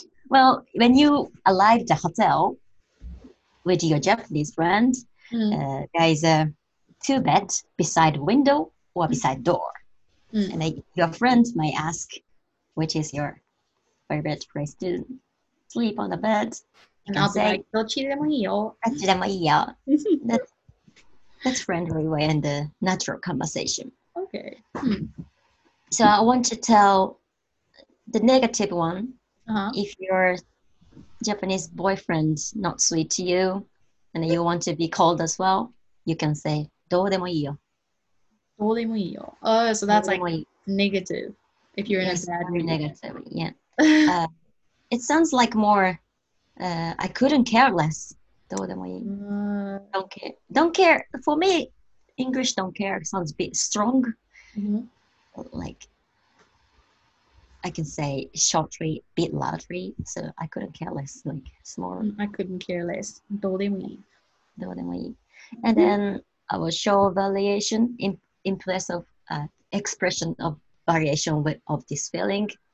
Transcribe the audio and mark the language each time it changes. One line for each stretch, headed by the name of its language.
English: Well, when you arrive at the hotel with your Japanese friend, there is a two bed beside window or beside door. And your friend may ask, which is your favorite place to sleep on the bed?
Japanese: どっちでもいいよ。どっちでもいいよ。
English: That's friendly way and the natural conversation. Okay. So I want to tell the negative one. If your Japanese boyfriend not sweet to you and you want to be called as well, you can say
Japanese: どうでもいいよ。どうでもいいよ。
English: Oh, so that's like negative if you're in a bad mood. Negative, yeah. It sounds like more I couldn't care less.
Japanese: どうでもいい。
English: Don't care. For me, English don't care sounds a bit strong. Like I can say shortly, bit loudly, so I couldn't care less, like small. I couldn't care less.
Japanese: どうでもいい。どうでもいい。
English: And then I will show variation in place of expression of variation of this feeling.